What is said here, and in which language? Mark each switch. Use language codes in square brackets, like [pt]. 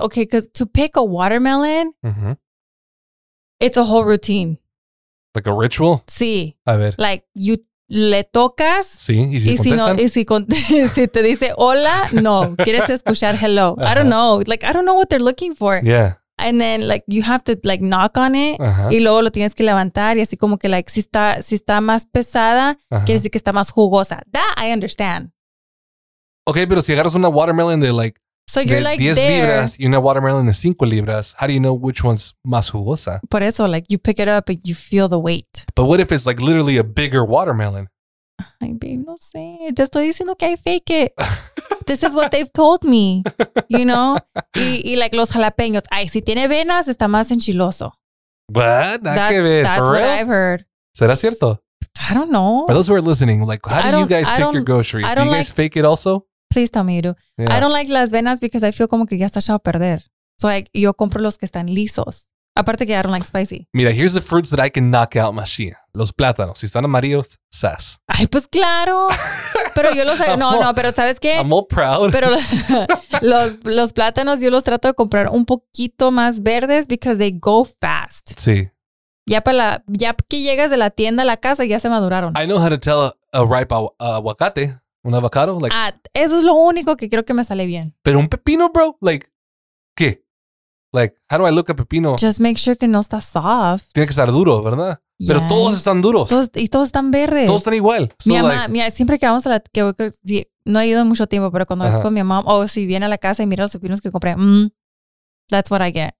[en] Okay, because to pick a watermelon, it's a whole routine. Like a ritual? [es] Sí. A ver. Like, you le tocas. Sí, y si contestan. Y si te dice hola, no. Quieres escuchar hello. Uh-huh. I don't know. [en] Like, I don't know what they're looking for. Yeah. And then, like, you have to, like, knock on it. Uh-huh. [es] Y luego lo tienes que levantar. Y así como que, like, si está más pesada, quiere decir que está más jugosa. [en] That I understand. [es] Okay, pero si agarras una watermelon de, like, [en] so you're [es] de [en] like 10 there. [es] Libras y una watermelon de 5 libras. How do you know which one's más jugosa? Por eso, like you pick it up and you feel the weight. [en] But what if it's like literally a bigger watermelon? [es] Ay, babe, no sé. Te estoy diciendo que I fake it. [en] This is what they've told me, you know? [es] Y like los jalapeños. Ay, si tiene venas, está más enchiloso. [en] What? That's what I've heard. [es] ¿Será cierto? [en] I don't know. For those who are listening, like how do you guys pick your groceries? Do you guys like, fake it also? Please tell me you do. Yeah. I don't like las venas because I feel como que ya está echado a perder. [es] So like, yo compro los que están lisos. [en] Aparte que I don't like spicy. Mira, here's the fruits that I can knock out, Mashiach. [es] Los plátanos. Si están amarillos, sas. Ay, pues claro. Pero yo los... No, pero ¿sabes qué? [en] I'm all proud. [es] Pero los plátanos yo los trato de comprar un poquito más verdes because they go fast. Sí. Ya que llegas de la tienda a la casa, ya se maduraron. [en] I know how to tell a ripe aguacate. [es] ¿Un avocado? Like, eso es lo único que creo que me sale bien. ¿Pero un pepino, bro? Like, ¿qué? Like, how do I look at pepino? [en] Just make sure que no está soft. [es] Tiene que estar duro, ¿verdad? [en] Yes. [es] Pero todos están duros. Todos están verdes. Todos están igual. So, mi mamá, like, mira, siempre que vamos a la... Que no he ido mucho tiempo, pero cuando voy con mi mamá, si viene a la casa y mira los pepinos que compré, that's what I get.